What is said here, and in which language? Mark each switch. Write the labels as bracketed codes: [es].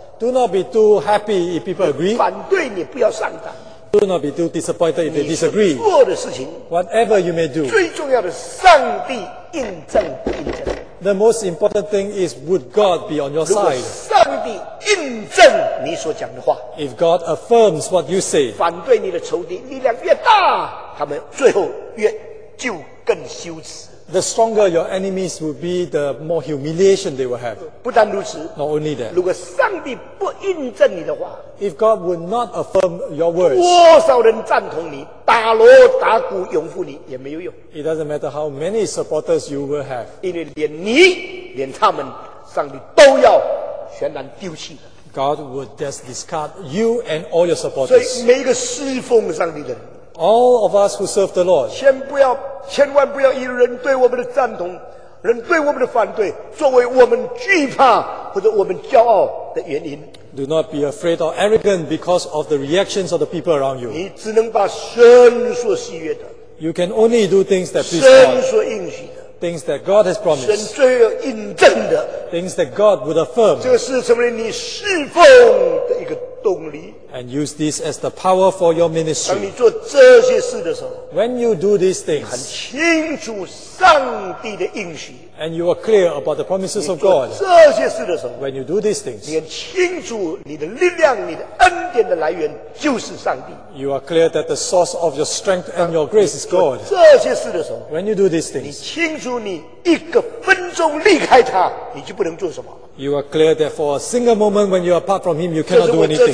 [en] do not be too happy if people agree, [zh] 反对你不要上当, [en] do not be too disappointed if they disagree. [zh] 你所做的事情, [en] whatever you may do, [zh] 最重要的是上帝印证不印证。 [en] The most important thing is, would God be on your side? [zh] 如果上帝印证你所讲的话, [en] if God affirms what you say, [zh] 反对你的仇敌力量越大, 他们最后越就更羞耻。 [en] The stronger your enemies will be, the more humiliation they will have. [zh] 不但如此, [en] not only that, [zh] 如果上帝不印证你的话, [en] if God would not affirm your words, [zh] 多少人赞同你, 打锣打鼓拥护你也没有用。 [en] It doesn't matter how many supporters you will have. [zh] 因为连你, 连他们, 上帝都要全然丢弃。 [en] God would just discard you and all your supporters. [zh] 所以每一个侍奉上帝的人, [en] all of us who serve the Lord, [zh] 千万不要以人对我们的赞同, 人对我们的反对, 作为我们惧怕或者我们骄傲的原因。 [en] Do not be afraid or arrogant because of the reactions of the people around you. [zh] 你只能把神所喜悦的, [en] you can only do things that please God. Things that God has promised. [zh] 神最有印证的, [en] things that God would affirm. [zh] 这是成为你侍奉的一个动力。 [en] And use this as the power for your ministry. [zh] 当你做这些事的时候, [en] when you do these things, [zh] 你很清楚上帝的应许, [en] and you are clear about the promises of God, [zh] 你做这些事的时候, [en] when you do these things, [zh] 你很清楚你的力量, 你的恩典的来源就是上帝, [en] you are clear that the source of your strength and your grace is God. [zh] 你做这些事的时候, [en] when you do these things, [zh] 你清楚你一个分钟离开他, 你就不能做什么。 [en] You are clear that for a single moment when you are apart from him, you cannot do anything.